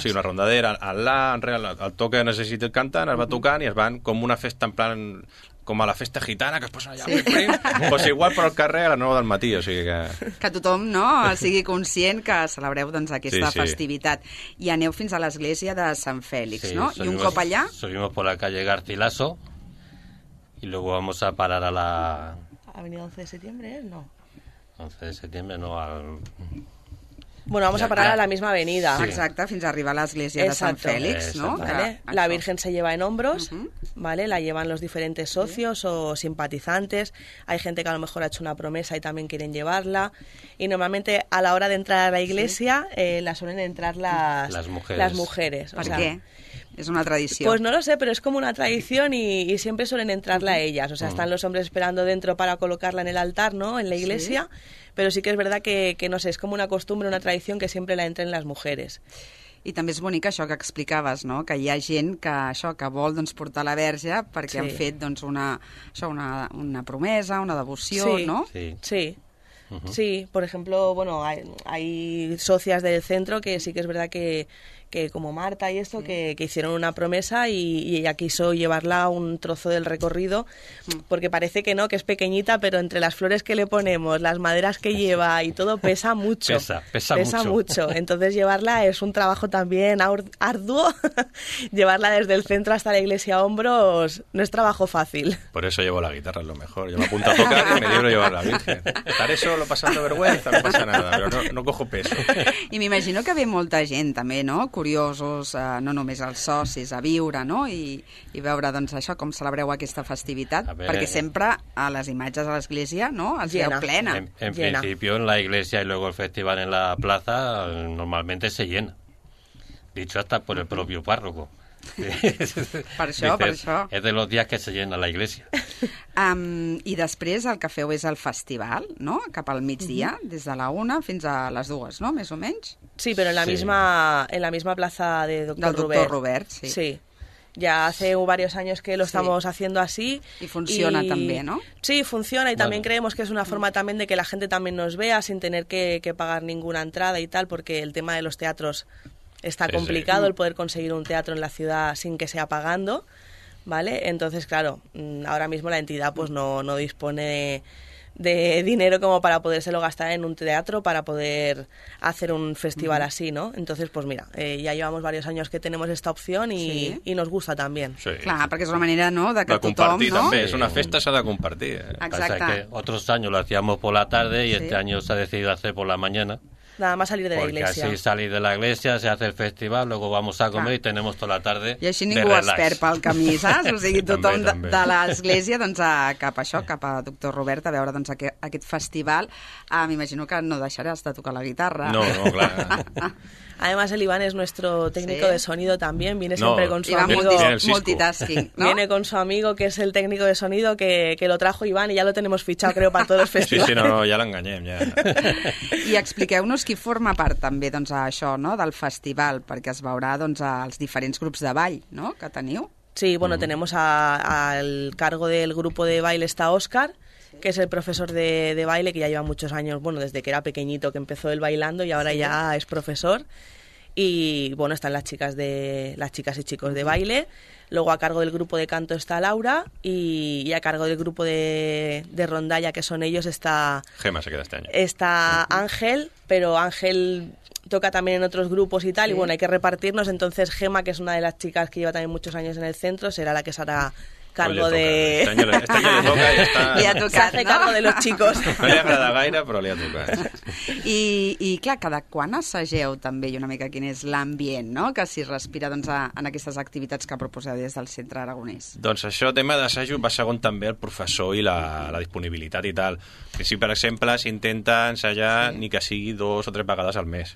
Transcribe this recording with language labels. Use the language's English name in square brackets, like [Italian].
[Catalan] Sí, una rondadera. El to que necessita cantar es va tocant i es van com una festa en plan... com a la festa gitana, que es posa allà. Pues igual per al carrer a la 9 del matí, o sigui que... Que tothom, no?, sigui conscient que celebreu, doncs, aquesta festivitat. I aneu fins a l'església de Sant Fèlix, no? [Spanish] Subimos, [Catalan] I un cop allà... [Spanish] Subimos por la calle Garcilaso y luego vamos a parar a la... Avenida 11 de septiembre, ¿eh? No. 11 de septiembre, no, al... Bueno, vamos a parar a la misma avenida. Sí. [Catalan] Exacte, fins a arribar a l'església de Sant Fèlix, no? [Spanish] Vale. La Virgen se lleva en hombros, ¿vale? La llevan los diferentes socios o simpatizantes. Hay gente que a lo mejor ha hecho una promesa y también quieren llevarla. Y normalmente a la hora de entrar a la iglesia la suelen entrar las mujeres. ¿Por qué? Es una tradición. Pues no lo sé, pero es como una tradición y siempre suelen entrarla ellas. O sea, están los hombres esperando dentro para colocarla en el altar, ¿no? En la iglesia. Pero sí que es verdad que no sé, es como una costumbre, una tradición que siempre la entren las mujeres. [Catalan] I també és bonic això que explicaves, no? Que hi ha gent que vol doncs, portar la Verge perquè han fet doncs, una promesa, una devoció, no? Sí. [Spanish] Sí, por ejemplo, bueno, hay socias del centro que sí que es verdad que como Marta y esto, que hicieron una promesa y ella quiso llevarla un trozo del recorrido, porque parece que no, que es pequeñita, pero entre las flores que le ponemos, las maderas que lleva y todo, pesa mucho. Pesa mucho. Entonces llevarla es un trabajo también arduo. Llevarla desde el centro hasta la iglesia a hombros no es trabajo fácil. Por eso llevo la guitarra, es lo mejor. Yo me apunto a tocar y me libro de llevar la Virgen. Estaré solo pasando vergüenza, no pasa nada, pero no cojo peso. Y me imagino que ve mucha gente también, ¿no? [Catalan] curiosos, no només els socis, a viure, no? I veure, doncs, això, com celebreu aquesta festivitat, a perquè sempre a les imatges a l'església, no?, [Spanish] es llena. [Catalan] Veu plena. [Spanish] En principi, en la iglesia y luego el festival en la plaza, normalmente se llena. Dicho hasta por el propio párroco. [Catalan] Per això, dices, per això. [Spanish] És de los días que se llena la iglesia. [Catalan] I després el que feu és el festival, no?, cap al migdia, des de la una fins a les dues, no?, més o menys. [Spanish] Sí, però en la, sí, misma, en la misma plaza de Doctor Robert. Sí. Sí. Ya hace varios años que lo estamos, sí, haciendo así. Y funciona también, ¿no? Sí, funciona y también creemos que es una forma también de que la gente también nos vea sin tener que pagar ninguna entrada y tal, porque el tema de los teatros está complicado, el poder conseguir un teatro en la ciudad sin que sea pagando, ¿vale? Entonces, claro, ahora mismo la entidad pues no dispone de dinero como para podérselo gastar en un teatro para poder hacer un festival así, ¿no? Entonces, pues mira, ya llevamos varios años que tenemos esta opción y, sí, y nos gusta también. Sí, claro, sí, porque es una manera, ¿no?, de que de compartir, [Catalan] tothom, ¿no?, [Spanish] también. Es una festa, se ha de compartir. Exacto. Que otros años lo hacíamos por la tarde y, sí, este año se ha decidido hacer por la mañana. Nada más salir de la iglesia. Porque así salir de la iglesia, se hace el festival, luego vamos a comer, claro, y tenemos toda la tarde. [Catalan] Y así ningú es perd pel camí, saps? O sigui, sí, tothom de l'església, doncs, cap a això, cap a Doctor Robert, a veure, doncs, aquest festival. M'imagino que no deixaràs de tocar la guitarra. No, no, clar. [Spanish] Además, el Iván es nuestro técnico, sí, de sonido también. Viene siempre con su Iván amigo. Multitasking, ¿no? Viene con su amigo, que es el técnico de sonido, que lo trajo Iván y ya lo tenemos fichado, creo, para todos los festivales. Sí, sí, no, ya lo engañem, ya. [Catalan] Y expliqueu-nos qui forma part també, doncs, això, no?, del festival, perquè es veurà, doncs, als diferents grups de ball, no?, que teniu. [Spanish] Sí, bueno, tenemos al cargo del grupo de baile está Óscar, que es el profesor de baile, que ya lleva muchos años, bueno, desde que era pequeñito que empezó él bailando y ahora, sí, ya es profesor. Y bueno, están las chicas y chicos de baile. Luego a cargo del grupo de canto está Laura y a cargo del grupo de rondalla, que son ellos, está... Gema se queda este año. Está Ángel, pero Ángel toca también en otros grupos y tal, sí, y bueno, hay que repartirnos. Entonces Gema, que es una de las chicas que lleva también muchos años en el centro, será la que se hará cargo de... Este año le toca y está... Se hace cargo de los chicos. No le agrada gaire, pero le toca. [Catalan] I clar, cada quan assageu també, i una mica quin és l'ambient, no?, que s'hi respira, doncs, en aquestes activitats que proposeu des del Centre Aragonès. Doncs això, tema d'assajo, va segon també el professor i la disponibilitat i tal. Si, per exemple, s'intenta ensajar, sí, ni que sigui dos o tres vegades al mes.